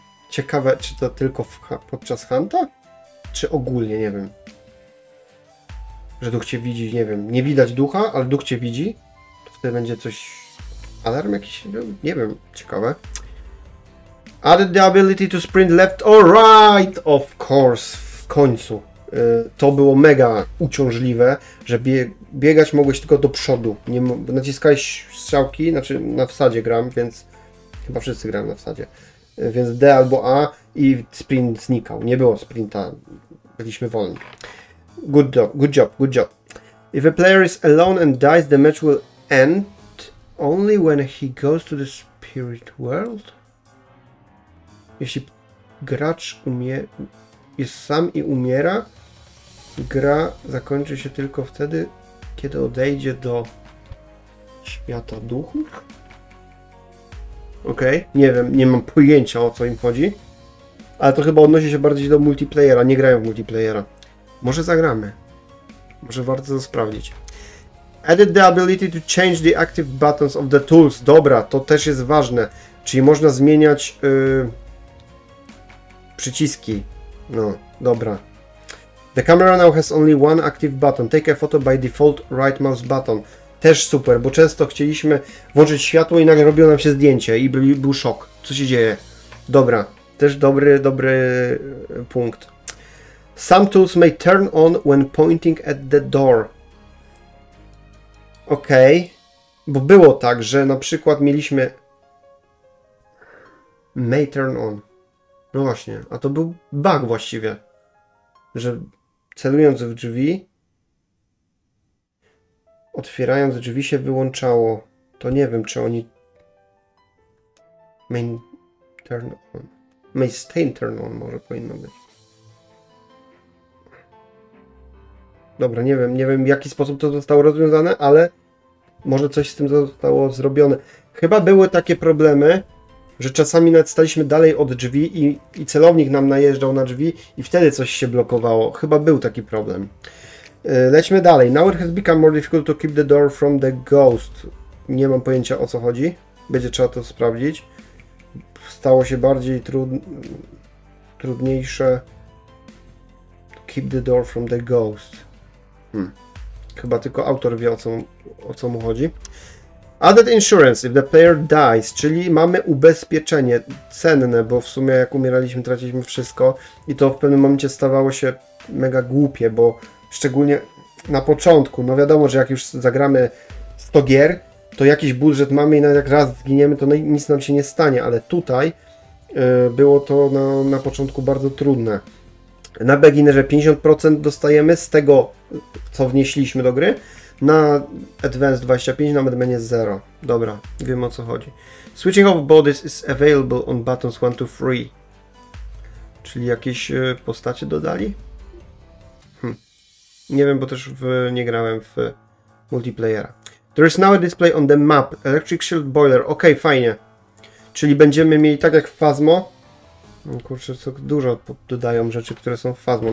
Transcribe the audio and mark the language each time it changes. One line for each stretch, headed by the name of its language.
Polish: Ciekawe, czy to tylko podczas hunta? Czy ogólnie, nie wiem. Że duch cię widzi, nie wiem. Nie widać ducha, ale duch cię widzi. To będzie coś... alarm jakiś? Nie wiem, ciekawe.
English: Added the ability to sprint left or right! Of course,
Polish: w końcu. To było mega uciążliwe, że biegać mogłeś tylko do przodu. Nie naciskałeś strzałki, znaczy na wsadzie gram, więc... Chyba wszyscy gram na wsadzie. Więc D albo A i sprint znikał. Nie było sprinta, byliśmy wolni.
English: Good job. If a player is alone and dies, the match will... And only when he goes to the spirit world?
Polish: Jeśli gracz jest sam i umiera, gra zakończy się tylko wtedy, kiedy odejdzie do świata duchów? Okej, okay. Nie wiem, nie mam pojęcia, o co im chodzi. Ale to chyba odnosi się bardziej do multiplayera, nie grają w multiplayera. Może zagramy. Może warto to sprawdzić.
English: Edit the ability to change the active buttons of the tools.
Polish: Dobra, to też jest ważne. Czyli można zmieniać przyciski. No, dobra.
English: The camera now has only one active button. Take a photo by default right mouse button.
Polish: Też super, bo często chcieliśmy włączyć światło i nagle robiło nam się zdjęcie i był szok. Co się dzieje? Dobra. Też dobry punkt.
English: Some tools may turn on when pointing at the door.
Polish: Okej. Okay. Bo było tak, że na przykład mieliśmy...
English: May turn on.
Polish: No właśnie. A to był bug właściwie. Że celując w drzwi... Otwierając drzwi się wyłączało. To nie wiem, czy oni...
English: May turn on. May stay turn on
Polish: może powinno być. Dobra, nie wiem w jaki sposób to zostało rozwiązane, ale może coś z tym zostało zrobione. Chyba były takie problemy, że czasami nawet staliśmy dalej od drzwi i celownik nam najeżdżał na drzwi i wtedy coś się blokowało. Chyba był taki problem. Lećmy dalej. Now it has become more difficult to keep the door from the ghost. Nie mam pojęcia, o co chodzi. Będzie trzeba to sprawdzić. Stało się bardziej trudniejsze
English: to keep the door from the ghost.
Polish: Chyba tylko autor wie, o co mu chodzi.
English: Added insurance if the player dies,
Polish: czyli mamy ubezpieczenie cenne, bo w sumie jak umieraliśmy, traciliśmy wszystko i to w pewnym momencie stawało się mega głupie, bo szczególnie na początku, no wiadomo, że jak już zagramy 100 gier, to jakiś budżet mamy i nawet jak raz zginiemy, to nic nam się nie stanie, ale tutaj było to na początku bardzo trudne. Na beginnerze 50% dostajemy z tego, co wnieśliśmy do gry. Na Advanced 25, na Madmenie 0. Dobra, wiem, o co chodzi.
English: Switching of bodies is available on buttons 1 to 3.
Polish: Czyli jakieś postacie dodali? Nie wiem, bo też nie grałem w multiplayera.
English: There is now a display on the map. Electric shield boiler.
Polish: Ok, fajnie. Czyli będziemy mieli tak jak w Phasmo. Kurczę, co dużo dodają rzeczy, które są w Phasmo.